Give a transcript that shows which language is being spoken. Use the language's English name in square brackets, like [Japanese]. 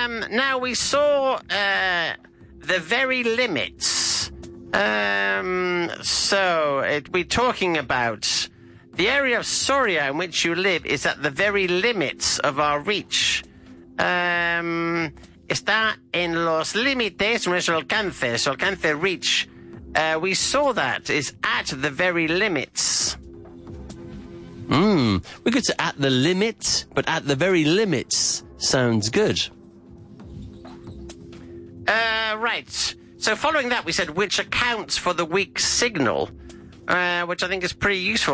[English] Now, we saw the very limits. We're talking about the area of Soria in which you live is at the very limits of our reach. [Spanish] Está en los límites nuestro alcance, su alcance reach. [English] We saw that is at the very limits. We could say at the limit, but at the very limits sounds good. Right. So following that, we said which accounts for the weak signal, which I think is pretty useful.